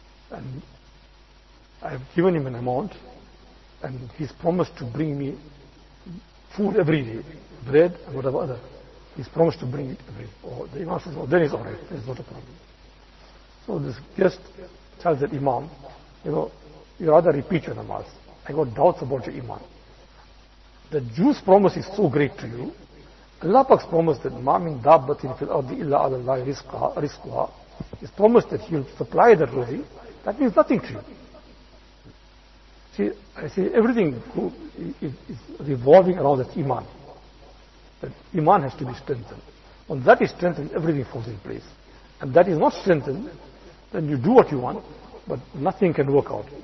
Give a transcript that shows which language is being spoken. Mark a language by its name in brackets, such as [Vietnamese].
[English] And I've given him an amount, and he's promised to bring me food every day, bread and whatever other. He's promised to bring it every day. Oh, the Imam says, oh, then it's all right, there's not a problem. So this guest tells the Imam, you know, you rather repeat your namaz. I got doubts about your iman. The Jew's promise is so great to you. Allah Pak's promise that [Arabic] مَا مِنْ دَابَّةٍ فِي الْأَرْضِ إِلَّا عَلَى اللَّهِ رِزْقُهَا. [English] He's promised that He'll supply the rosy. That means nothing to you. See, I say everything is revolving around that iman. That iman has to be strengthened. When that is strengthened, everything falls in place. And that is not strengthened, then you do what you want, but nothing can work out.